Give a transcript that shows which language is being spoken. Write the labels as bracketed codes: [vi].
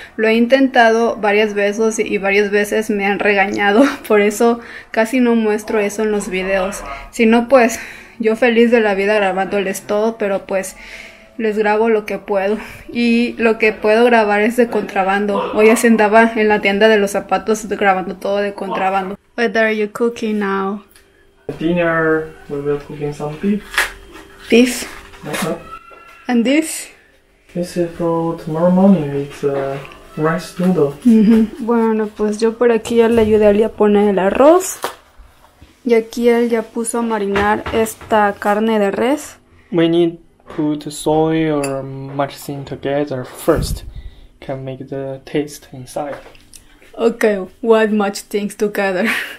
[es] Lo he intentado varias veces y varias veces me han regañado, por eso casi no muestro eso en los videos. Si no, pues yo feliz de la vida grabándoles todo, pero pues les grabo lo que puedo. Y lo que puedo grabar es de contrabando. Hoy así andaba en la tienda de los zapatos grabando todo de contrabando. [en] What are you cooking now? Dinner, we will cooking some beef. This and this. This is for tomorrow morning. It's a rice noodle. [es] Bueno, pues yo por aquí ya le ayudé a poner el arroz. Y aquí él ya puso a marinar esta carne de res. [en] We need put soy or mushroom together first. Can make the taste inside. Okay, what much things together?